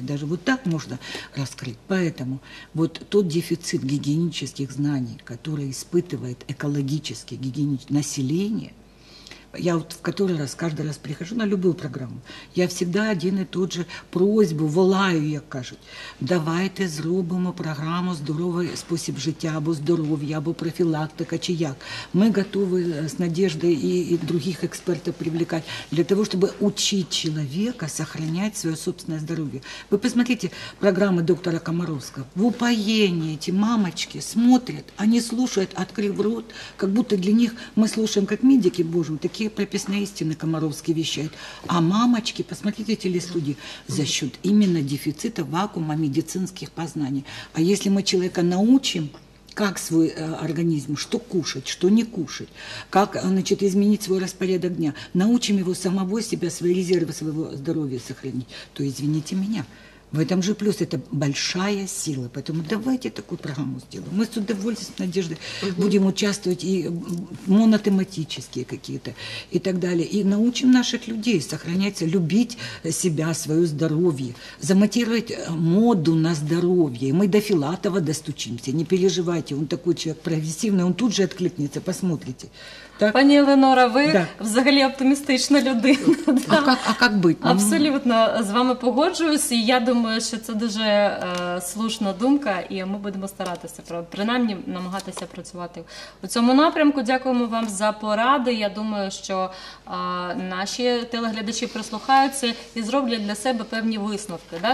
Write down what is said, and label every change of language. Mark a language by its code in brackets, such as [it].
[ru] Даже вот так можно раскрыть. Поэтому вот тот дефицит гигиенических знаний, который испытывает экологически гигиеничное население, Я вот в который раз, каждый раз прихожу на любую программу. Я всегда один и тот же просьбу, [uk] волаю, як кажуть. Давайте зробимо програму «Здоровий спосіб життя» або «Здоров'я», або «Профілактика», чи як. Ми готові з Надеждою і других експертів привлекати для того, щоб учити чоловіка сохраняти своє собственне здоров'я. Ви посмотрите програми доктора Комаровського. В упоєнні ці мамочки смотрять, вони слухають, відкрив рот, як будто для них ми слухаємо, як медики, боже, [ru] такие прописные истины Комаровский вещает. А мамочки, посмотрите телестудии, за счет именно дефицита вакуума медицинских познаний. А если мы человека научим, как свой организм, что кушать, что не кушать, как, значит, изменить свой распорядок дня, научим его самого себя, свои резервы своего здоровья сохранить, то извините меня. В этом же плюс, это большая сила. Поэтому давайте такую программу сделаем. Мы с удовольствием, с Надеждой, будем участвовать и монотематические какие-то и так далее. И научим наших людей сохранять, любить себя, свое здоровье, замотировать моду на здоровье. Мы до Филатова достучимся. Не переживайте, он такой человек прогрессивный, он тут же откликнется, посмотрите. Так? [uk] Пані Еленора, ви взагалі оптимістична людина. А як бути? Абсолютно з вами погоджуюсь, і я думаю, що це дуже слушна думка, і ми будемо старатися, принаймні намагатися працювати у цьому напрямку. Дякуємо вам за поради, я думаю, що наші телеглядачі прослухаються і зроблять для себе певні висновки. Да?